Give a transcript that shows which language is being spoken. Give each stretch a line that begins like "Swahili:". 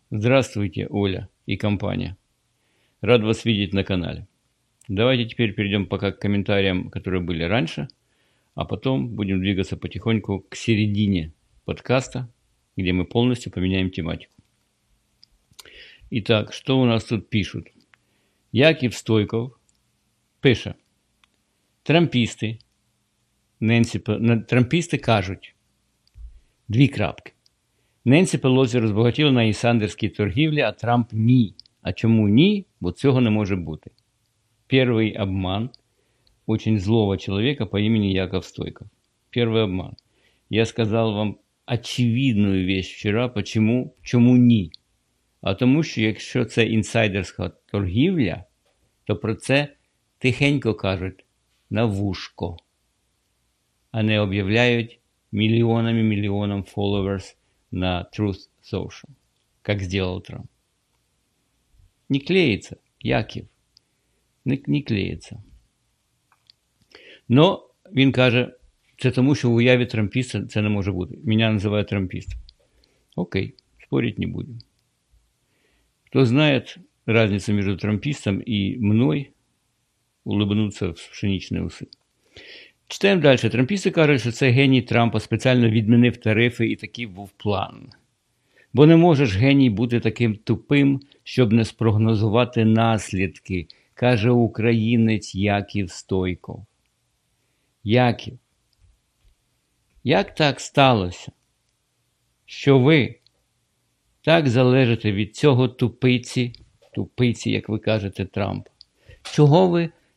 Russian: Здравствуйте, Оля и компания. Рад вас видеть на канале. Давайте теперь перейдем пока к комментариям, которые были раньше, а потом будем двигаться потихоньку к середине подкаста, где мы полностью поменяем тематику. Итак, что у нас тут пишут?
Ukrainian: Яков Стойков пишет: «Трамписты, трамписты кажуть, дві крапки, Ненсі Пелозі розбагатіла на ісандерській торгівлі, а Трамп – ні. А чому ні? Бо цього не може бути».
Russian: Первый обман очень злого человека по имени Яков Стойков. Первый обман. Я сказал вам очевидную вещь вчера, почему,
Ukrainian: чому ні. А тому що, якщо це інсайдерська торгівля, то про це тихенько кажуть на вушко, а не об'являють мільйонам followers на Truth Social, як зробив Трамп. Не клеїться, Яків, не клеїться. Но він каже, це тому, що в уяві трампіста це не може бути. Мене називають трампістом. Окей, спорити не будемо.
Russian: Кто знает разницу между трампистом и мной, улыбнуться в пшеничные усы. Читаем дальше.
Ukrainian: Трамписты кажуть, що це геній Трампа спеціально відмінив тарифи і такий був план. Бо не можеш, геній, бути таким тупим, щоб не спрогнозувати наслідки, каже українець Яків Стойков. Яків, як так сталося, що ви так залежите від цього тупиці, як ви кажете, Трамп? Чого ви